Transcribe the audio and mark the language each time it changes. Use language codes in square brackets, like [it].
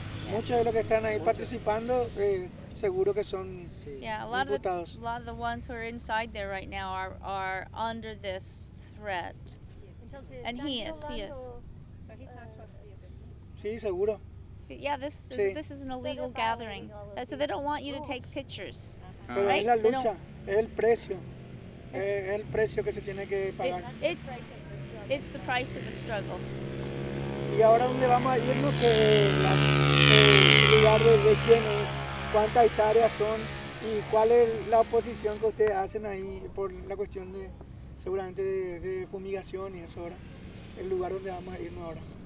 [es] Muchos de los que están ahí participando, seguro que son imputados. [en] A lot of the ones who are inside there right now are under this threat. And he is. So he's not supposed to be at this meeting. [es] Sí, seguro. [en] See, yeah, this is an illegal gathering. So they don't want you to take pictures. [es] Pero es la lucha, es el precio. Es el precio que se tiene que pagar. [en] It's the price of the struggle. [es] Y ahora dónde vamos a irnos, que el lugar de quién es, cuántas hectáreas son y cuál es la oposición que ustedes hacen ahí por la cuestión de seguramente de fumigación y eso ahora, el lugar donde vamos a irnos ahora.